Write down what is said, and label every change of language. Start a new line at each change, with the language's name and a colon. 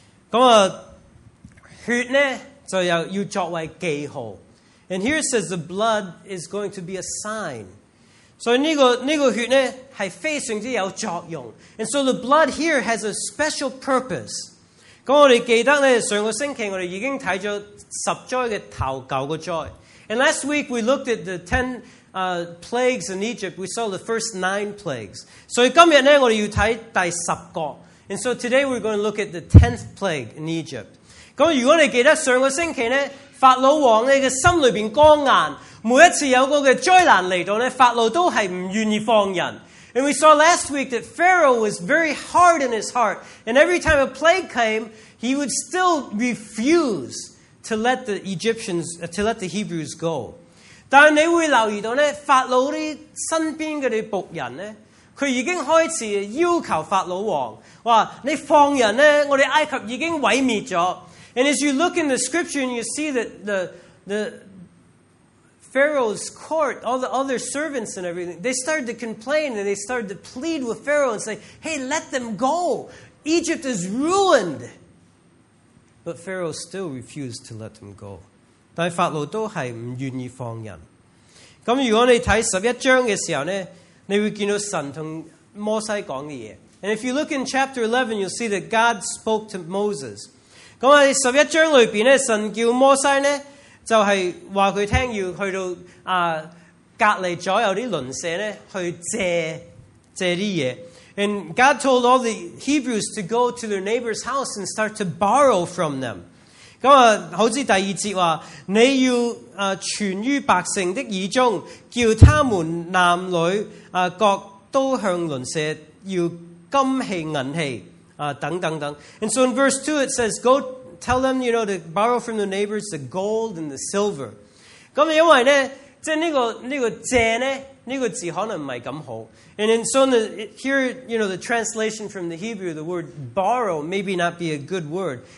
Cantonese: 咁啊，血呢就有要作為記號。
English: And here it says the blood is going to be a sign.
Cantonese: So 呢個血呢係非常之有作用。
English: And so the blood here has a special purpose.
Cantonese: 咁我哋記得咧，上個星期我哋已經睇咗十災嘅頭九個災。
English: And last week we looked at the ten plagues in Egypt. We saw the first nine plagues.
Cantonese: 所以今日咧，我哋要睇第十個。
English: And so today we're going to look at the tenth plague in Egypt.
Cantonese: 咁如果你記得上個星期咧，法老王咧嘅心裏邊光硬，每一次有個嘅災難嚟到咧，法老都係唔願意放人。
English: And we saw last week that Pharaoh was very hard in his heart. And every time a plague came, he would still refuse to let the Egyptians, to let the Hebrews go.
Cantonese: 但你会留意到呢，法老的身边的仆人呢，他已经开始要求法老王，说你放人呢，我们埃及已经毁灭了。
English: And as you look in the scripture, you see that the Pharaoh's court, all the other servants and everything, they started to complain and they started to plead with Pharaoh and say, hey, let them go. Egypt is ruined. But Pharaoh still refused to let them go.
Cantonese: 但法老都是不愿意放人。咁如果你睇十一章嘅时候呢，你会见到神同摩西讲嘅嘢。
English: And if you look in chapter 11, you'll see that God spoke to Moses.
Cantonese: 咁喺十一章里面呢，神叫摩西呢，就是話佢聽要去到隔離左右啲鄰舍咧，去借啲嘢。
English: And God told all the Hebrews to go to their neighbor's house and start to borrow from them.
Cantonese: 咁啊，好似第二節話，你要傳於百姓的耳中，叫他們男女各都向鄰舍要金器銀器等等等。
English: And so in verse 2 it says, go. Tell them, you know, to borrow from the neighbors the gold and the silver.
Cantonese: 咁因為咧，即係呢個借咧，呢個字可能唔係咁好。
English: And then so here, you know, the translation from the Hebrew, the word borrow, maybe not be a good word.